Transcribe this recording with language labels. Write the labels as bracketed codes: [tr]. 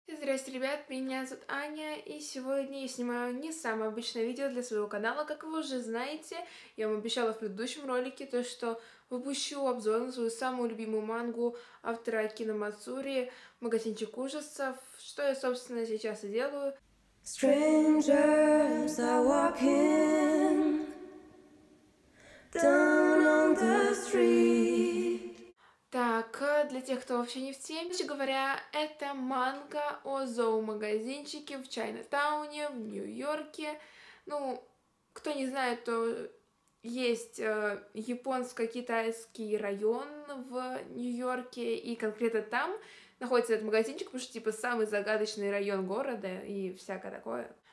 [ru] Здрасте, ребят, меня зовут Аня, и сегодня я снимаю не самое обычное видео для своего канала. Как вы уже знаете, я вам обещала в предыдущем ролике то, что выпущу обзор на свою самую любимую мангу автора Акино Мацури «Магазинчик ужасов», что я, собственно, сейчас и делаю. [en] Strangers are walking down on the street. [ru] Так, для тех, кто вообще не в теме, короче говоря, это манга о зоомагазинчике в Чайнатауне, в Нью-Йорке. Ну, кто не знает, то есть японско-китайский район в Нью-Йорке, и конкретно там находится этот магазинчик, потому что, типа, самый загадочный район города и всякое такое.